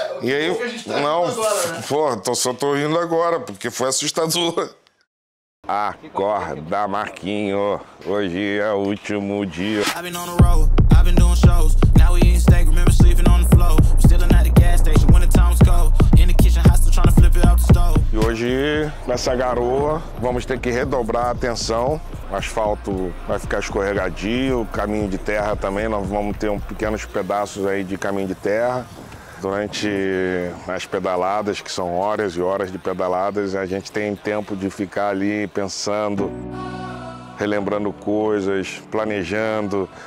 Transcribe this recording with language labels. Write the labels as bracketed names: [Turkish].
[Portuguese] e aí, não, tô rindo agora, porque foi assustador. Acorda, Marquinho. Hoje é o último dia. [English] I've been on the road, I've been doing shows. Now we in stake, remember sleeping on the floor. We're still at the gas station when the time's cold. In the kitchen, hustle trying to flip it out the stove. [Portuguese] E hoje, nessa garoa, vamos ter que redobrar a atenção. O asfalto vai ficar escorregadio, o caminho de terra também. Nós vamos ter pequenos pedaços aí de caminho de terra. Durante as pedaladas, que são horas e horas de pedaladas, a gente tem tempo de ficar ali pensando, relembrando coisas, planejando.